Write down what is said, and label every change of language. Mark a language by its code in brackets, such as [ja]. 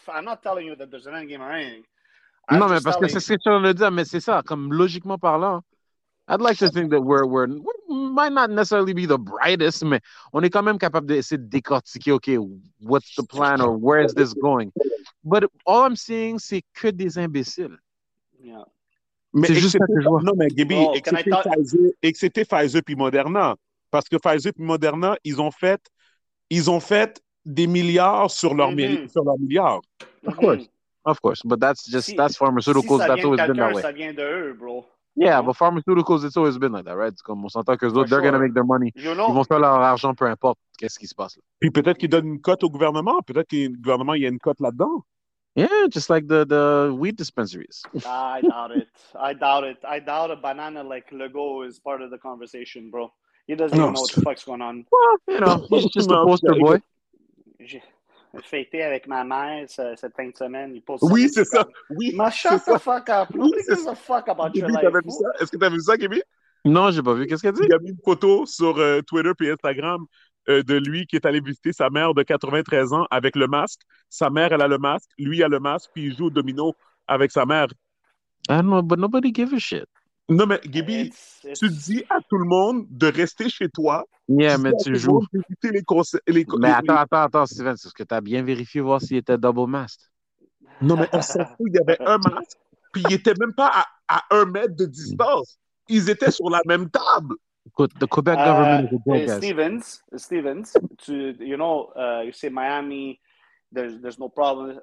[en] I'm not telling you that there's an endgame or anything. [fr] C'est ce que tu veux dire, mais c'est ça. Comme logiquement parlant, [en] I'd like to think that we might not necessarily be the brightest, [fr] mais on est quand même capable d'essayer de décortiquer, [en] OK, what's the plan or where is this going? But all I'm seeing, [fr] c'est que des imbéciles. [en] Yeah. [fr] Mais c'est juste que je vois. Non, mais Gibby, excepté Pfizer puis Moderna. Parce que Pfizer puis Moderna, ils ont fait des milliards sur leurs milliards. [en] Of course. But that's just, that's pharmaceuticals. [fr] Si [en] that's always been that way. [fr] Ça vient d'eux, bro. [en] Yeah, but pharmaceuticals, it's always been like that, right? [fr] Comme on s'entend qu'eux autres, [en] they're going to make their money. You know? [fr] Ils vont faire leur argent, peu importe qu'est-ce qui se passe. Puis peut-être qu'ils donnent une cote au gouvernement. Peut-être que le gouvernement, il y a une cote là-dedans. [en] Yeah, just like the weed dispensaries. I doubt it. I doubt a banana like Legault is part of the conversation, bro. He doesn't even know what the fuck's going on. Well, you know, he's just a poster boy. [fr] J'ai fêté avec ma mère cette fin de semaine. Il pose oui, c'est ça. Oui, [en] ma shut the fuck up. Oui, what is the fuck about your life? [fr] T'as vu ça? Est-ce que t'as vu ça, Gaby? Non, j'ai pas vu. Qu'est-ce qu'elle dit? Il a mis une photo sur Twitter et Instagram de lui qui est allé visiter sa mère de 93 ans avec le masque. Sa mère, elle a le masque. Lui, il a le masque. Puis il joue au domino avec sa mère. [en] I don't know, but nobody gives a shit. [fr] Non, mais Gaby, tu dis à tout le monde de rester chez toi. Yeah, mais tu joues. Visiter les conseils. Mais attends, attends, attends, Steven, c'est ce que tu as bien vérifié, voir s'il était double masque. Non, mais on s'en fout, il y avait un masque, puis il était même pas à un mètre de distance. Ils étaient sur la même table. [en] Écoute, le Quebec government is a good guy. Stevens, Stevens, tu, you know, you say Miami, there's no problem.